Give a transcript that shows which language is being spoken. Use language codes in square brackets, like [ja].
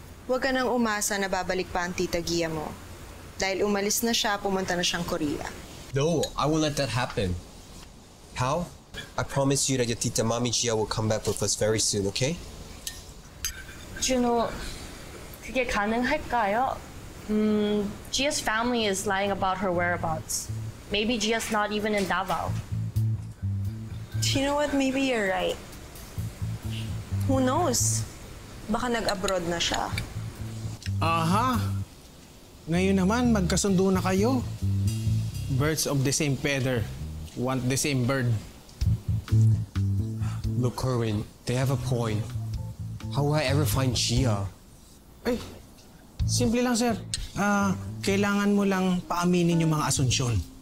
[tl] Huwag ka nang umasa na babalik pa ang tita Gia mo. Dahil umalis na siya, pumunta na siyang Korea. [en] No, I won't let that happen. How? I promise you that your tita Mami Gia will come back with us very soon, okay? Juno, [ko] 그게 가능할까요? [en] Gia's family is lying about her whereabouts. Maybe Gia's not even in Davao. Do you know what? Maybe you're right. Who knows? [tl] Baka nag-abroad na siya. Aha! Ngayon naman, magkasundo na kayo. [en] Birds of the same feather want the same bird. Look, Corwin, they have a point. How will I ever find Gia? [tl] Ay, simple lang, sir. Kailangan mo lang paaminin yung mga asunsyon.